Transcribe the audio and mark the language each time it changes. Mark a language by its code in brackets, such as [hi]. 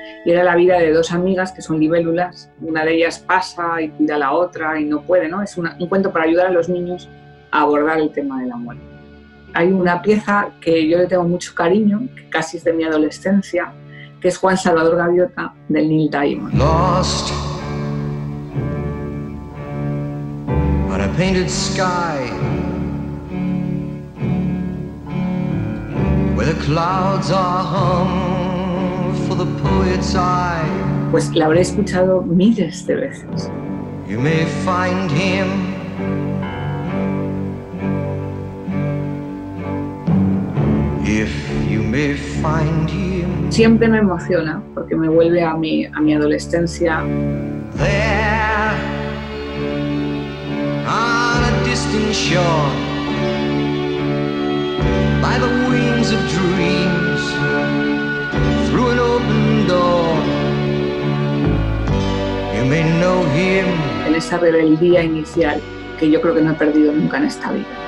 [es] Y era la vida de dos amigas que son libélulas. Una de ellas pasa y cuida a la otra y no puede, ¿no? Es un cuento para ayudar a los niños a abordar el tema de la muerte. Hay una pieza que yo le tengo mucho cariño, que casi es de mi adolescencia, que es Juan Salvador Gaviota, del Neil Diamond. [en] Lost on a painted sky where the clouds are hung for the poet's eye. [es] Pues la habré escuchado miles de veces. [en] You may find him if you may find him. [es] Siempre me emociona porque me vuelve a mi adolescencia. [en] There, on a distant shore, by the wings of dreams, through an open door, you may know him. [es] En esa rebeldía inicial que yo creo que no he perdido nunca en esta vida.